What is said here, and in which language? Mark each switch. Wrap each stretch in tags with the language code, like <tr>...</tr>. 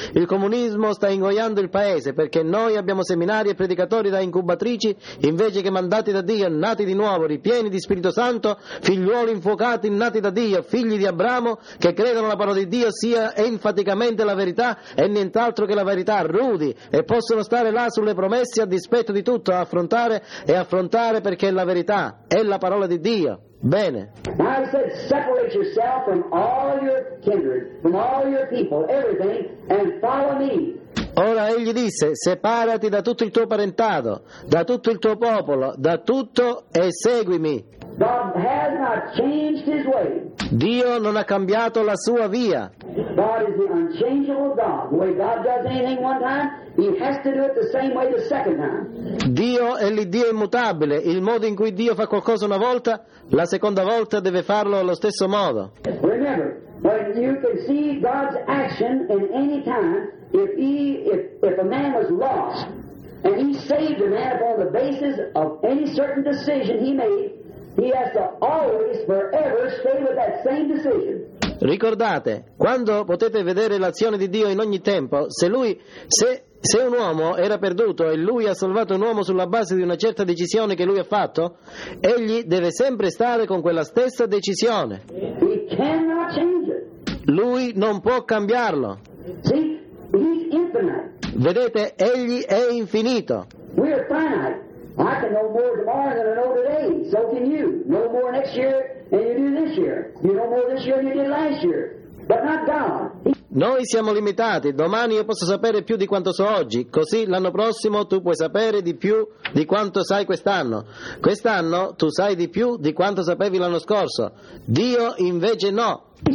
<it>Il comunismo sta ingoiando il paese perché noi abbiamo seminari e predicatori da incubatrici invece che mandati da Dio, nati di nuovo, ripieni di Spirito Santo, figliuoli infuocati, nati da Dio, figli di Abramo, che credono la parola di Dio sia enfaticamente la verità e nient'altro che la verità, rudi, e possono stare là sulle promesse a dispetto di tutto, a affrontare e affrontare perché è la verità, è la parola di Dio. Bene.</it> <en>Now I said, separate yourself from all your kindred, from all your people, everything, and follow me.</en> <it>Ora egli disse, separati da tutto il tuo parentato, da tutto il tuo popolo, da tutto e seguimi.</it> <en>God has not changed his way.</en> <it>Dio non ha cambiato la sua via.</it> <en>God is the unchangeable God. The way God does anything one time, he has to do it the same way the second time.</en> <it>Dio è l'Iddio immutabile. Il modo in cui Dio fa qualcosa una volta, la seconda volta deve farlo allo stesso modo.</it> <en>Remember, when you can see God's action in any time, if a man was lost and he saved a man upon the basis of any certain decision he made, he has to always, forever stay with that same decision.</en> <it>Ricordate, quando potete vedere l'azione di Dio in ogni tempo, se un uomo era perduto e lui ha salvato un uomo sulla base di una certa decisione che lui ha fatto, egli deve sempre stare con quella stessa decisione.</it> <en>He cannot change it.</en> <it>Lui non può cambiarlo.</it> <en>See, he's infinite.</en> <it>Vedete, egli è infinito.</it> <en>We are finite. I can know more tomorrow than I know today. So can you. No more next year than you do this year. You know more this year than you did last year. But not God.</en> <it>Noi siamo limitati, domani io posso sapere più di quanto so oggi, così l'anno prossimo tu puoi sapere di più di quanto sai quest'anno. Quest'anno tu sai di più di quanto sapevi l'anno scorso. Dio invece no.</it>